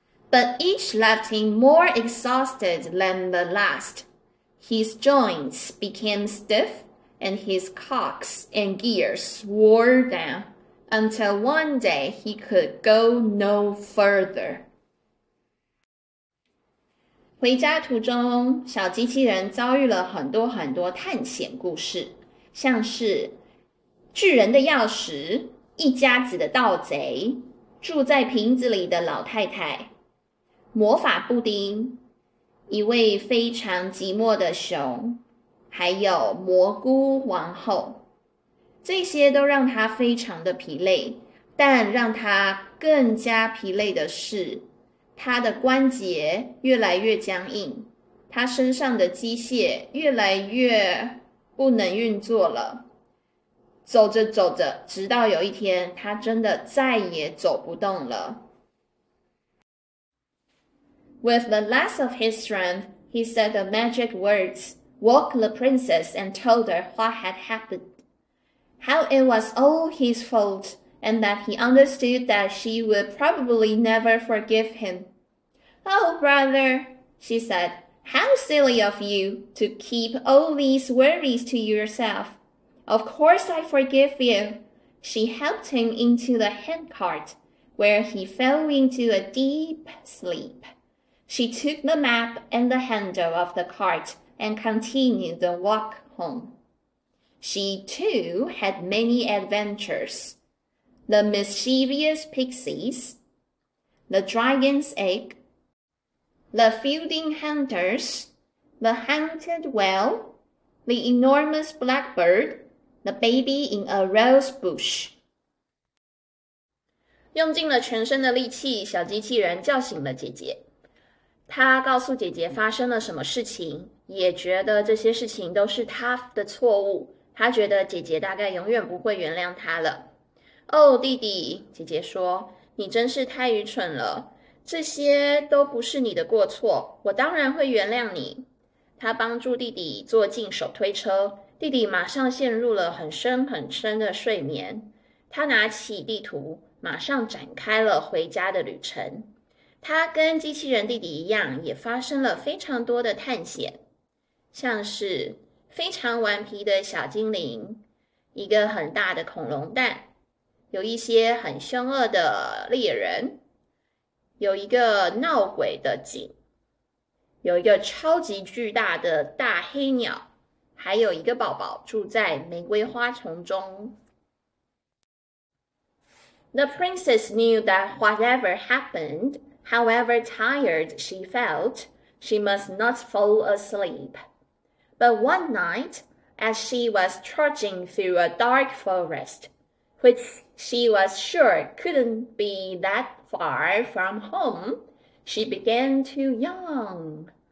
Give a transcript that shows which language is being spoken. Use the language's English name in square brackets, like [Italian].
[English] But each left him more exhausted than the last. His joints became stiff, and his cocks and gears wore down. Until one day he could go no further. [Chinese] 回家途中，小机器人遭遇了很多很多探险故事，像是巨人的钥匙、一家子的盗贼、住在瓶子里的老太太、魔法布丁、一位非常寂寞的熊，还有蘑菇王后。这些都让他非常的疲累，但让他更加疲累的是，他的关节越来越僵硬，他身上的机械越来越不能运作了。走着走着，直到有一天，他真的再也走不动了。 [English] With the last of his strength, he said the magic words, woke the princess and told her what had happened. How it was all his fault, and that he understood that she would probably never forgive him. Oh, brother, she said, how silly of you to keep all these worries to yourself. Of course I forgive you. She helped him into the handcart, where he fell into a deep sleep. She took the map and the handle of the cart and continued the walk home. She, too, had many adventures. The mischievous pixies, the dragon's egg, the fielding hunters, the haunted well, the enormous blackbird, the baby in a rose bush. [Chinese] 用尽了全身的力气，小机器人叫醒了姐姐。她告诉姐姐发生了什么事情，也觉得这些事情都是她的错误。他觉得姐姐大概永远不会原谅他了。哦，弟弟，姐姐说，你真是太愚蠢了，这些都不是你的过错，我当然会原谅你。他帮助弟弟坐进手推车，弟弟马上陷入了很深很深的睡眠。他拿起地图，马上展开了回家的旅程。他跟机器人弟弟一样，也发生了非常多的探险，像是非常顽皮的小精灵，一个很大的恐龙蛋，有一些很凶恶的猎人，有一个闹鬼的井，有一个超级巨大的大黑鸟，还有一个宝宝住在玫瑰花丛中。 [English] The princess knew that whatever happened, however tired she felt, she must not fall asleep. But one night, as she was trudging through a dark forest, which she was sure couldn't be that far from home, she began to yawn.